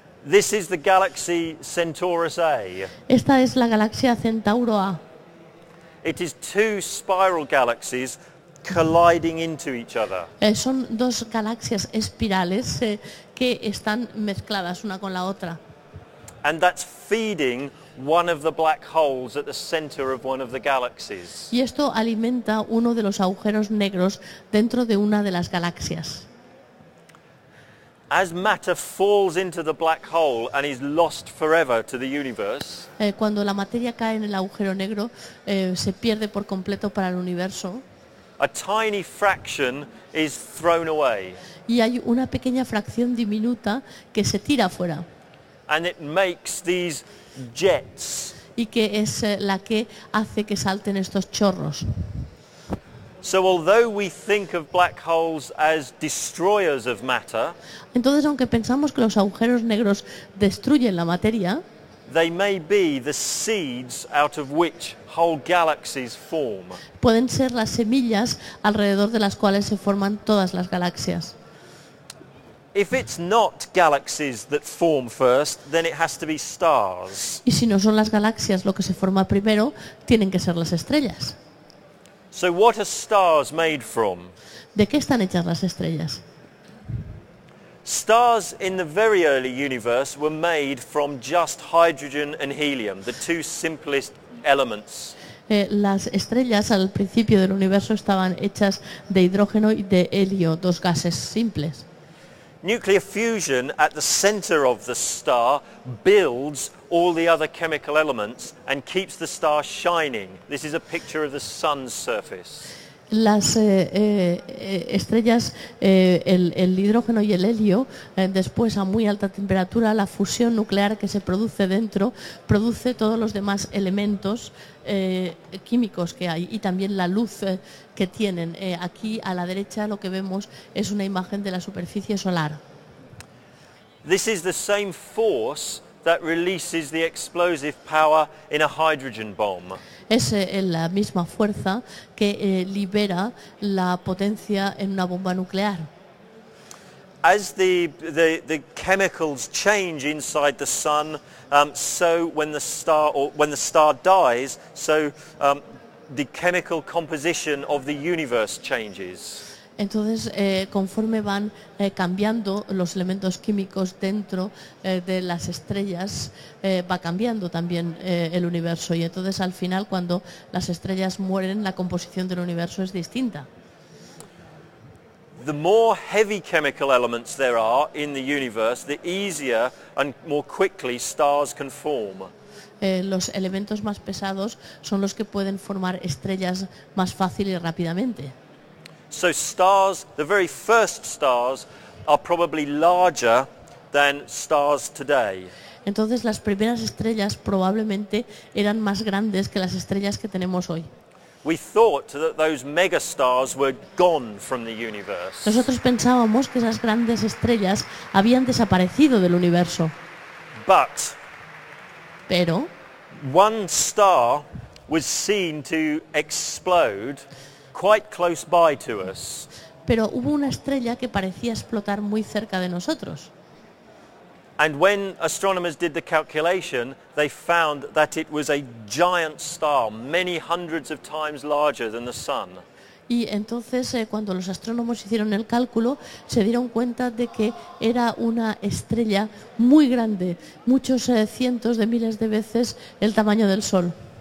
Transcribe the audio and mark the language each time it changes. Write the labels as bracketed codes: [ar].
[en] This is the galaxy Centaurus A. [es] Esta es la galaxia Centauro A. [en] It is two spiral galaxies colliding into each other. [es] Son dos galaxias espirales que están mezcladas una con la otra. [en] And that's feeding one of the black holes at the center of one of the galaxies. [es] Y esto alimenta uno de los agujeros negros dentro de una de las galaxias. [en] As matter falls into the black hole and is lost forever to the universe. [es] Cuando la materia cae en el agujero negro, se pierde por completo para el universo. [en] A tiny fraction is thrown away. [es] Y hay una pequeña fracción diminuta que se tira fuera. [en] And it makes these jets. [es] Y que es la que hace que salten estos chorros. [en] So although we think of black holes as destroyers of matter, [es] entonces aunque pensamos que los agujeros negros destruyen la materia, [en] they may be the seeds out of which whole galaxies form. [es] Pueden ser las semillas alrededor de las cuales se forman todas las galaxias. [en] If it's not galaxies that form first, then it has to be stars. [es] Y si no son las galaxias lo que se forma primero, tienen que ser las estrellas. [en] So what are stars made from? [es] ¿De qué están hechas las estrellas? [en] Stars in the very early universe were made from just hydrogen and helium, the two simplest elements. [es] Las estrellas al principio del universo estaban hechas de hidrógeno y de helio, dos gases simples. [en] Nuclear fusion at the center of the star builds all the other chemical elements and keeps the star shining. This is a picture of the sun's surface. [es] Las estrellas, el hidrógeno y el helio, después a muy alta temperatura, la fusión nuclear que se produce dentro produce todos los demás elementos químicos que hay y también la luz que tienen. Aquí a la derecha lo que vemos es una imagen de la superficie solar. [en] This is the same force that releases the explosive power in a hydrogen bomb. [es] Es la misma fuerza que libera la potencia en una bomba nuclear. [en] As the chemicals change inside the sun, so when the star dies, so the chemical composition of the universe changes. [es] Entonces, conforme van cambiando los elementos químicos dentro de las estrellas, va cambiando también el universo. Y entonces, al final, cuando las estrellas mueren, la composición del universo es distinta. [en] The more heavy chemical elements there are in the universe, the easier and more quickly stars can form. [es] Los elementos más pesados son los que pueden formar estrellas más fácil y rápidamente. [en] So stars, the very first stars, are probably larger than stars today. [es] Entonces las primeras estrellas probablemente eran más grandes que las estrellas que tenemos hoy. [en] We thought that those megastars were gone from the universe. [es] Nosotros pensábamos que esas grandes estrellas habían desaparecido del universo. [en] But. [es] Pero. [en] One star was seen to explode quite close by to us. [es] Pero hubo una estrella que parecía explotar muy cerca de nosotros. [en] And when astronomers did the calculation, they found that it was a giant star, many hundreds of times larger than the sun. [es] Y entonces cuando los astrónomos hicieron el cálculo, se dieron cuenta de que era una estrella muy grande, muchos cientos de miles de veces el tamaño del sol.